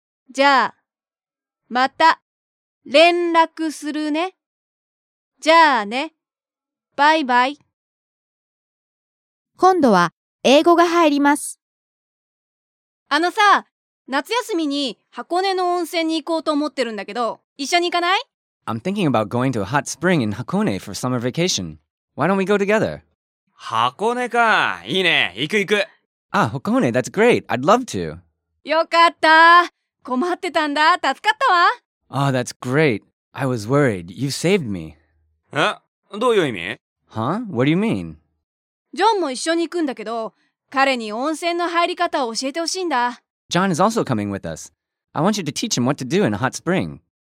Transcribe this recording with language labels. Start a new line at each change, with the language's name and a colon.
Japanese: じゃあ、また連絡するね。じゃあね。バイバイ。今度は英語が入ります。あのさ、夏休みに箱根の温泉に行こうと思ってるんだけど、一緒に行かない？
English: I'm thinking about going to a hot spring in Hakone for summer vacation. Why don't we go together?
Japanese: 箱根か。いいね。行く行く。
English: Ah, Hakone, that's great. I'd love to.
Japanese: よかった。困ってたんだ。助かったわ。
English: Oh, that's great. I was worried. You saved me.
Japanese: え？どういう意味？
English: Huh? What do you mean?
Japanese: ジョンも一緒に行くんだけど、彼に温泉の入り方を教えてほしいんだ。
English: John is also coming with us. I want you to teach him what to do in a hot spring.